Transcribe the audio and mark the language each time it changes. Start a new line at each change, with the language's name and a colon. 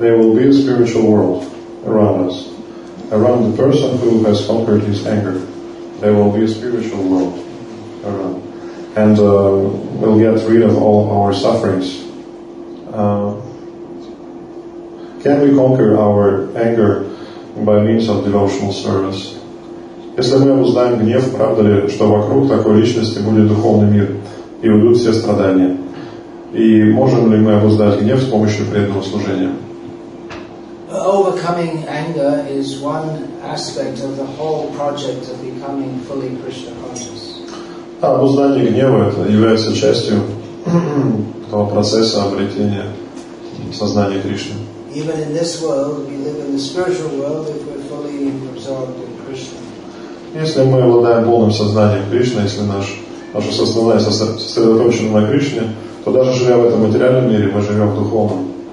English: There will be a spiritual world around us. Around the person who has conquered his anger, there will be a spiritual world around. And we'll get rid of all our sufferings. Can we conquer our anger by means of devotional service?
Russian: Если мы обуздаем гнев, правда ли, что вокруг такой личности будет духовный мир, и уйдут все страдания? И можем ли мы обуздать гнев с помощью преданного служения?
English: Overcoming anger is one aspect of the whole project of becoming fully Krishna conscious.
Russian: Да, обуздание гнева это является частью того процесса обретения сознания Кришны.
English: Even in this world, we live in the spiritual world if we're fully absorbed in Krishna.
Russian: Если мы обладаем полным сознанием Кришны, если наше сознание сосредоточено на Кришне, то даже живя в этом материальном мире, мы живем в духовном.